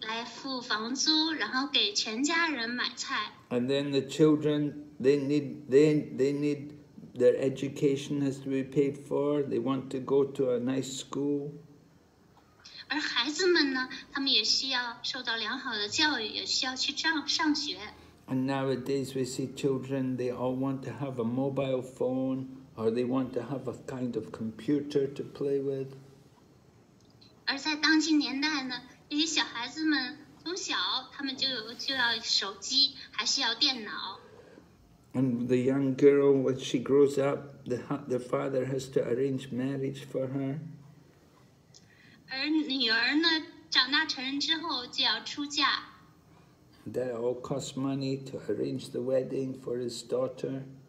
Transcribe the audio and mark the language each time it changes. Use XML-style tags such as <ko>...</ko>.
<zh>他要把养家，然后把钱呢给自己的妻子，妻子拿来拿钱来付房租，然后给全家人买菜。</zh> <en>And then the children, they need their education has to be paid for. They want to go to a nice school.</en> <zh>而孩子们呢，他们也需要受到良好的教育，也需要去上学。</zh> <en>And nowadays we see children, they all want to have a mobile phone. Or they want to have a kind of computer to play with.</en> <zh>而在当今年代呢，这些小孩子们从小他们就要手机，还需要电脑。</zh> <en>And the young girl, when she grows up, the father has to arrange marriage for her.</en> <zh>而女儿呢，长大成人之后就要出嫁。</zh> <en>That all costs money to arrange the wedding for his daughter.</en>